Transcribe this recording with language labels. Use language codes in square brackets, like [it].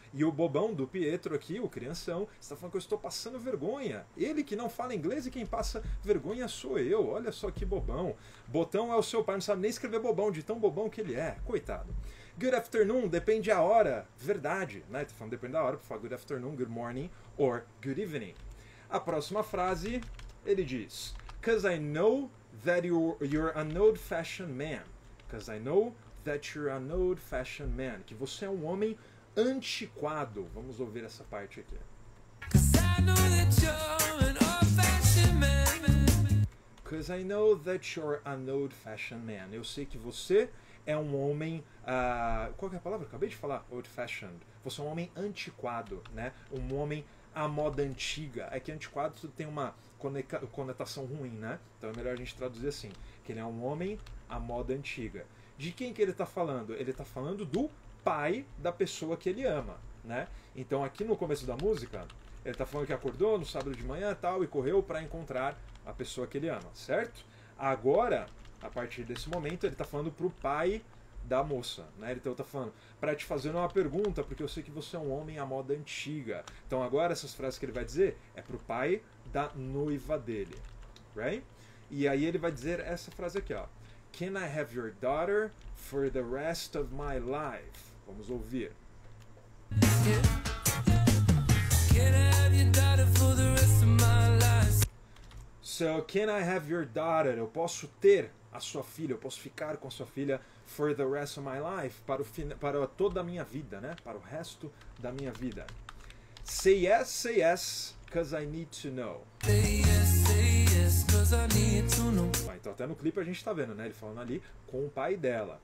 [pt] E o bobão do Pietro aqui, o crianção, está falando que eu estou passando vergonha. Ele que não fala inglês e quem passa vergonha sou eu. Olha só que bobão. Botão é o seu pai, não sabe nem escrever bobão, de tão bobão que ele é. Coitado. [en] Good afternoon, [pt] depende a hora. Verdade, né? Estou falando depende da hora, por favor. [en] Good afternoon, good morning, or good evening. [pt] A próxima frase, ele diz, [en] 'cause I know that you're an old-fashioned man. 'Cause I know that you're an old-fashioned man. [pt] Que você é um homem antiquado. Vamos ouvir essa parte aqui. [en] 'Cause I know that you're an old-fashioned man. 'Cause I know that you're an old-fashioned man. [pt] Eu sei que você é um homem... qual que é a palavra? Acabei de falar. Old-fashioned. Você é um homem antiquado, né? Um homem à moda antiga. É que antiquado tudo tem uma... conotação ruim, né? Então é melhor a gente traduzir assim, que ele é um homem à moda antiga. De quem que ele tá falando? Ele tá falando do pai da pessoa que ele ama, né? Então aqui no começo da música, ele tá falando que acordou no sábado de manhã e tal, e correu para encontrar a pessoa que ele ama, certo? Agora, a partir desse momento, ele tá falando pro pai da moça, né? Então tá falando, para te fazer uma pergunta, porque eu sei que você é um homem à moda antiga. Então agora essas frases que ele vai dizer é pro pai da noiva dele, right? E aí ele vai dizer essa frase aqui, ó. [en] Can I have your daughter for the rest of my life? [pt] Vamos ouvir. [en] Can I have your daughter for the rest of my life? So, can I have your daughter? [pt] Eu posso ter a sua filha, eu posso ficar com a sua filha [en] for the rest of my life, [pt] para toda a minha vida, né? Para o resto da minha vida. [en] Say yes, because I need to know. Say yes, because I need to know. [pt] Então até no clipe a gente tá vendo, né? Ele falando ali com o pai dela.